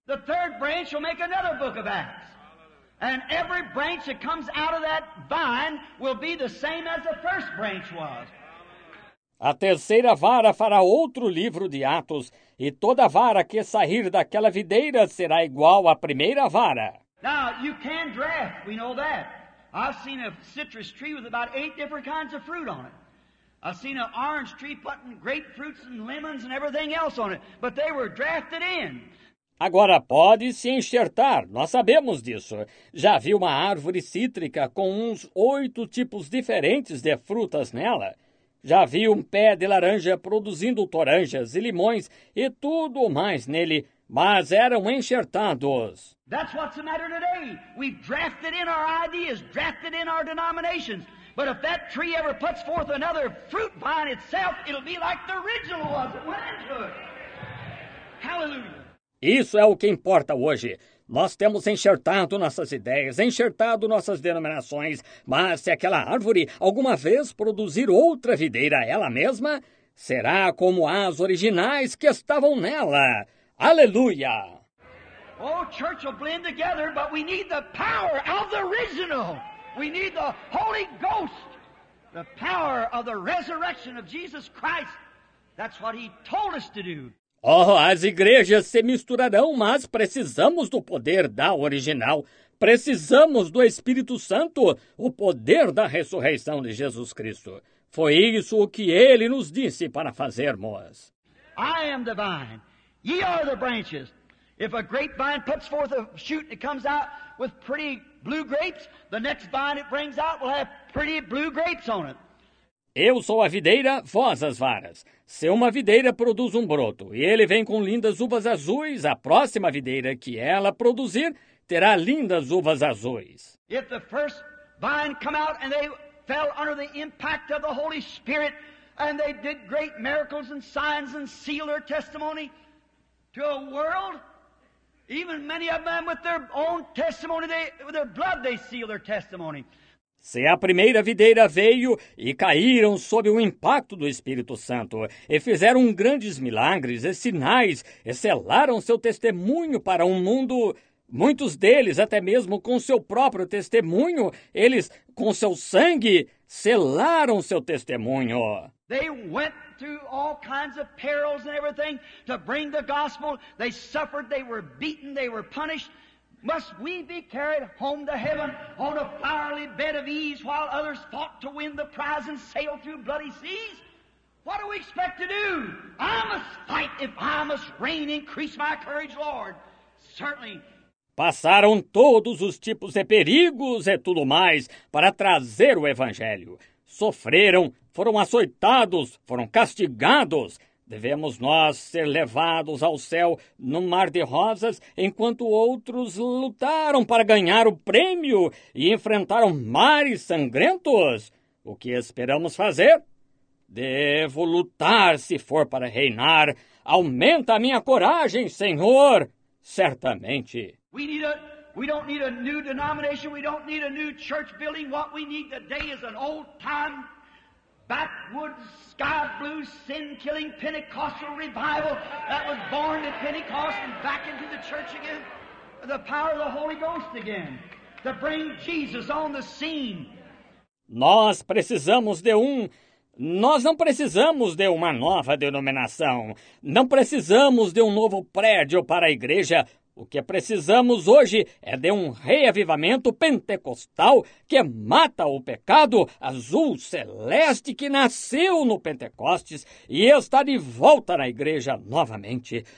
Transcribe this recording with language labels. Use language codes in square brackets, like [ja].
[en] The third branch will make another book of Acts. And every branch that comes out of that vine will be the same as the first branch was. [pt] A terceira vara fará outro livro de Atos, e toda vara que sair daquela videira será igual à primeira vara. [en] Now, you can draft, we know that. I've seen a citrus tree with about 8 different kinds of fruit on it. I've seen an orange tree putting grapefruits and lemons and everything else on it, but they were drafted in. [pt] Agora, pode se enxertar, nós sabemos disso. Já vi uma árvore cítrica com uns 8 tipos diferentes de frutas nela. Já vi um pé de laranja produzindo toranjas e limões e tudo mais nele. Mas eram enxertados. [en] That's what's the matter today. We've drafted in our ideas, drafted in our denominations. But if that tree ever puts forth another fruit vine itself, it'll be like the original was. Hallelujah. [pt] Isso é o que importa hoje. Nós temos enxertado nossas ideias, enxertado nossas denominações, mas se aquela árvore alguma vez produzir outra videira ela mesma, será como as originais que estavam nela. Aleluia! [en] Oh, church will blend together, but we need the power of the original. We need the Holy Ghost, the power of the resurrection of Jesus Christ. That's what he told us to do. [pt] Oh, as igrejas se misturarão, mas precisamos do poder da original. Precisamos do Espírito Santo, o poder da ressurreição de Jesus Cristo. Foi isso o que ele nos disse para fazermos. [en] I am the vine. Ye are the branches. If a grapevine puts forth a shoot and it comes out with pretty blue grapes, the next vine it brings out will have pretty blue grapes on it. [pt] Eu sou a videira, vós as varas. Se uma videira produz um broto e ele vem com lindas uvas azuis, a próxima videira que ela produzir terá lindas uvas azuis. [en] If the first vine come out and they fell under the impact of the Holy Spirit and they did great miracles and signs and sealed their testimony to a world, even many of them with their own testimony, with their blood they sealed their testimony. [pt] Se a primeira videira veio e caíram sob o impacto do Espírito Santo e fizeram grandes milagres e sinais e selaram seu testemunho para um mundo, muitos deles, até mesmo com seu próprio testemunho, eles, com seu sangue, selaram seu testemunho. [en] They went through all kinds of perils and everything to bring the gospel. They suffered, they were beaten, they were punished. Must we be carried home to heaven on a fiery bed of ease while others fought to win the prize and sail through bloody seas? What do we expect to do? I must fight if I must reign. Increase my courage, Lord. Certainly. [pt] Passaram todos os tipos de perigos e tudo mais para trazer o evangelho. Sofreram, foram açoitados, foram castigados. Devemos nós ser levados ao céu no mar de rosas, enquanto outros lutaram para ganhar o prêmio e enfrentaram mares sangrentos? O que esperamos fazer? Devo lutar se for para reinar. Aumenta a minha coragem, Senhor, certamente. [en] We don't need a new denomination. We don't need a new church building. What we need today is an old time backwoods, sky blue, sin-killing Pentecostal revival that was born at Pentecost and back into the church again. The power of the Holy Ghost again to bring Jesus on the scene. [pt] Nós precisamos de um... Nós não precisamos de uma nova denominação. Não precisamos de um novo prédio para a igreja. O que precisamos hoje é de um reavivamento pentecostal que mata o pecado azul celeste que nasceu no Pentecostes e está de volta na igreja novamente.